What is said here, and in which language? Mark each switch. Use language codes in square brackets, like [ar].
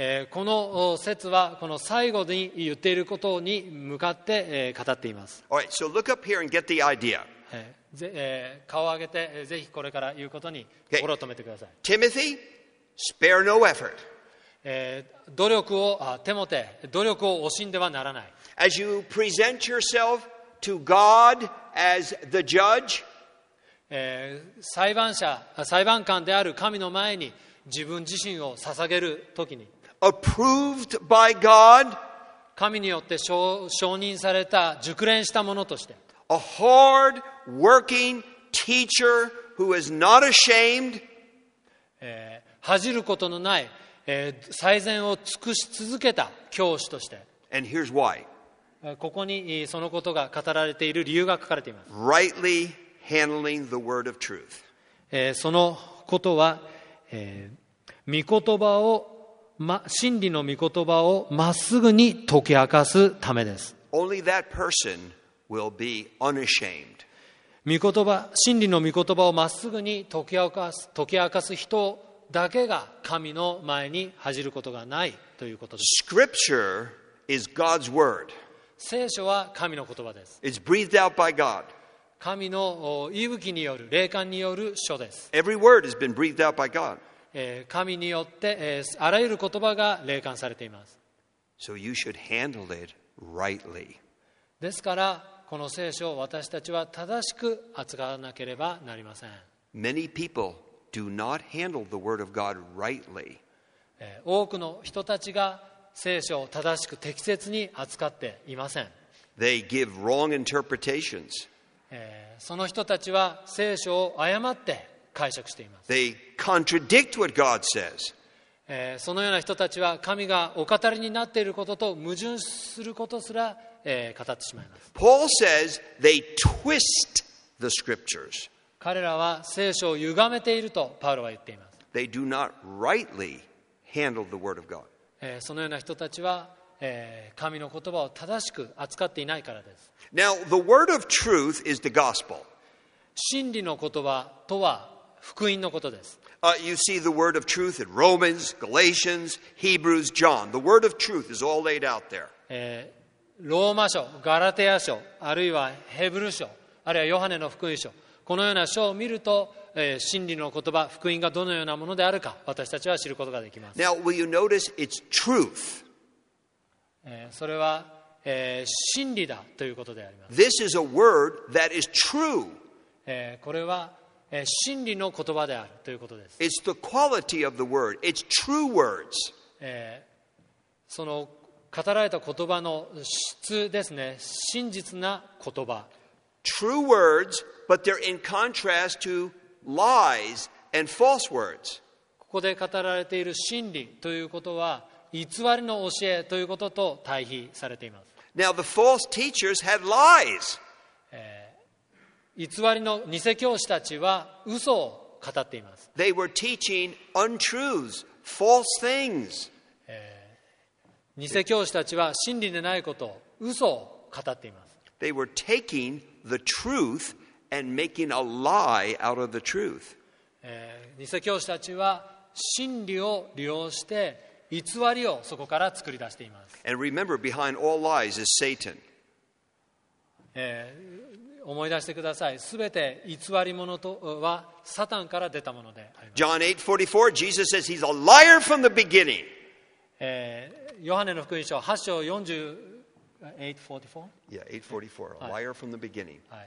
[ja] この節はこの最後に言っていることに向かって語っています。 [en] Alright, so look up here and get the idea. [ja] 顔を上げて、ぜひこれから言うことに心を止めてください。 [en] Okay. Timothy, spare no effort. [ja] 努力を、テモテ、努力を惜しんではならない。 [en] As you present yourself to God as the judge, [ja] 裁判者、裁判官である神の前に自分自身を捧げるときに、 [en] approved by God, [ja] 神によって承認された、熟練したものとして、 [en] A hard working teacher who is not ashamed. [ja] 恥じることのない、最善を尽くし続けた教師として。 [en] And here's why. [ja] ここにそのことが語られている理由が書かれています。 [en] Rightly handling the word of truth. [ja] そのことは、御言葉を、真理の御言葉をまっすぐに解き明かすためです。 [en] Only that person. Will be unashamed. [ja] 御言葉、真理の御言葉をまっすぐに解き明かす人だけが神の前に恥じることがないということです。 [en] Scripture is God's word. [ja] 聖書は神の言葉です。 [en] It's breathed out by God. [ja] 神の息吹による、霊感による書です。 [en] Every word has been breathed out by God. [ja] 神によって、あらゆる言葉が霊感されています。 [en] So you should handle it rightly. [ja] ですからこの聖書を私たちは正しく扱わなければなりません。 [en] Many people do not handle the word of God rightly. [ja] 多くの人たちが聖書を正しく適切に扱っていません。 [en] They give wrong interpretations. [ja] その人たちは聖書を誤って解釈しています。 [en] They contradict what God says. [ja] そのような人たちは神がお語りになっていることと矛盾することすら語ってしまいます。 [en] Paul says they twist the scriptures. [ja] 彼らは聖書を歪めているとパウロは言っています。 [en] They do not rightly handle the word of God. [ja] そのような人たちは神の言葉を正しく扱っていないからです。 [en] Now the word of truth is the gospel. [ja] 真理の言葉とは福音のことです。 [en] You see the word of truth in Romans, Galatians, Hebrews, John. The word of truth is all laid out there. [ja] ローマ書、ガラテヤ書、あるいはヘブル書、あるいはヨハネの福音書。このような書を見ると、真理の言葉、福音がどのようなものであるか、私たちは知ることができます。 [en] Now, will you notice it's truth? [ja] それは、真理だということであります。 [en] This is a word that is true. [ja] これは真理の言葉であるということです。 [en] It's the quality of the word. It's true words. [ja] その語られた言葉の質ですね。真実な言葉。 [en] True words, but they're in contrast to lies and false words. [ja] ここで語られている真理ということは、偽りの教えということと対比されています。 [en] Now the false teachers had lies. [ja] 偽りの偽教師たちは嘘を語っています。 [en] They were teaching untruths, false things. [ja] 偽教師たちは真理でないことを嘘を語っています。 [en] They were taking the truth and making a lie out of the truth. [ja] 偽教師たちは真理を利用して偽りをそこから作り出しています。 [en] And remember, behind all lies is Satan. [ja] 思い出してください。すべて偽り者とはサタンから出たものであります。 [en] John 8:44, Jesus says he's a liar from the beginning. [ja] ヨハネの福音書8章40 844? [en] Yeah, 844, a liar from the beginning.